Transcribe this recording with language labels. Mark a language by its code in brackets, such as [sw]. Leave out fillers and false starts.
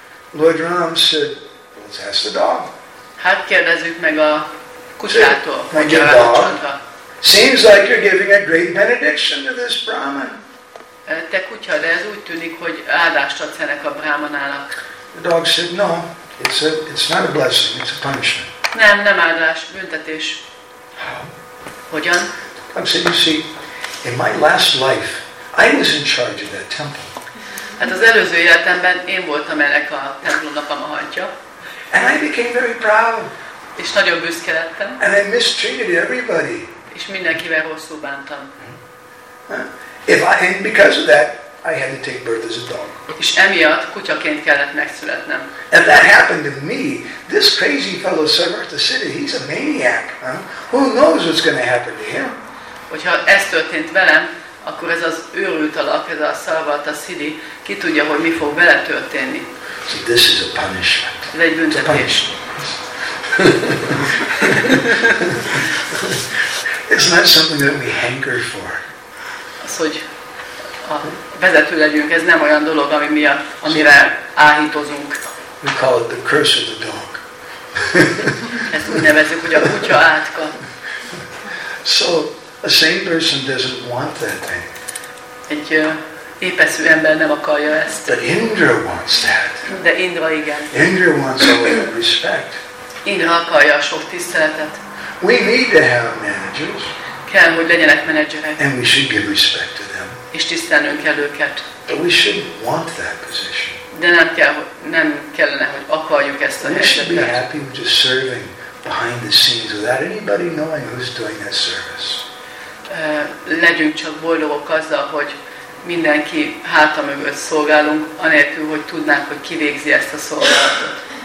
[en] Lord Ram said, let's ask the dog. [hu] Hát kérdezzük meg a kutyától. [en] My dear dog, seems like you're giving a great benediction to this Brahman. [hu] Te kutya, de ez úgy tűnik, hogy áldást adsz ennek a Brahmanának. [en] The dog said, no, it's not a blessing, it's a punishment. [hu] Nem, nem áldás, büntetés. Hogyan? [en] I'm saying, you see, in my last life, I was in charge of that temple. [hu] Hát az előző életemben én voltam ennek a templomnak a mahantja. [en] And I became very proud. [hu] És nagyon büszke lettem. [en] And I mistreated everybody. [hu] És mindenkivel rosszul bántam. [en] If I, and because of that, I had to take birth as a dog. [hu] És emiatt kutyaként kellett megszületnem. [en] And that happened to me. This crazy fellow Sarvat the city, he's a maniac. Huh? Who knows what's going to happen to him? [hu] Hogyha ez történt velem, akkor ez az őrült alak, ez a Sarvat the city, ki tudja, hogy mi fog vele történni. [en] So this is a punishment. [hu] Ez egy büntetés. [en] It's a punishment. It's not something that we hanker for. [hu] Az, hogy a vezető legyünk, ez nem olyan dolog, ami miatt, amire áhítozunk. [en] We call it the curse of the dog. [hu] Ezt úgy nevezzük, hogy a kutya átka. [en] So, a sane person doesn't want that thing. [hu] Egy épeszű ember nem akarja ezt. [en] But Indra wants that. [hu] De Indra igen. [en] Indra wants all that respect. [hu] Indra akarja a sok tiszteletet. [en] We need to have managers. [hu] Kell, hogy legyenek menedzserek. [en] And we should give respect to them. [hu] És tisztelnünk kell őket. [en] But we shouldn't want that position. [hu] De nem kellene, hogy akarjuk ezt a helyzetet. [en] We should be happy with just serving behind the scenes without anybody knowing who's doing that service. [hu] Legyünk csak boldogok azzal, hogy mindenki háta mögött szolgálunk, anélkül, hogy tudnák, hogy ki végzi ezt a szolgálatot.